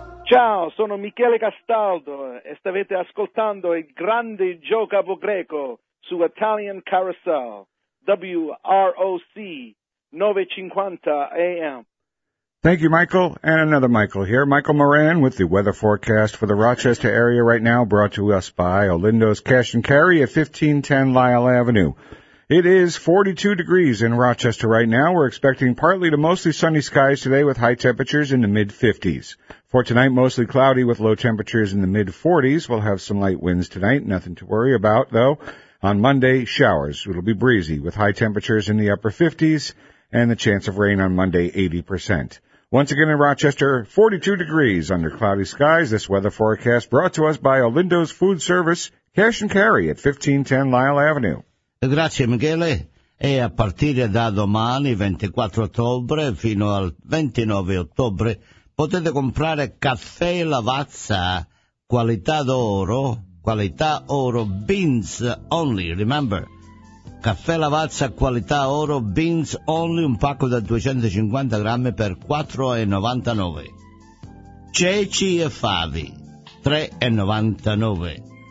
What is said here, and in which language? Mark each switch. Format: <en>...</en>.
<it>Ciao, sono Michele Castaldo e stavete ascoltando il grande Joe Capo Greco su Italian Carousel, WROC, 950 AM.</it> <en>Thank you, Michael, and another Michael here. Michael Moran with the weather forecast for the Rochester area right now, brought to us by Olindo's Cash and Carry at 1510 Lyle Avenue. It is 42 degrees in Rochester right now. We're expecting partly to mostly sunny skies today with high temperatures in the mid-50s. For tonight, mostly cloudy with low temperatures in the mid-40s. We'll have some light winds tonight. Nothing to worry about, though. On Monday, showers. It'll be breezy with high temperatures in the upper 50s and the chance of rain on Monday, 80%. Once again in Rochester, 42 degrees under cloudy skies. This weather forecast brought to us by Olindo's Food Service, Cash and Carry at 1510 Lyle Avenue.</en> <it>Grazie Michele, e a partire da domani 24 ottobre fino al 29 ottobre potete comprare caffè Lavazza qualità oro</it> <en>beans only, remember,</en> <it>caffè Lavazza qualità oro beans only, un pacco da 250 grammi per €4,99, ceci e favi €3,99.</it>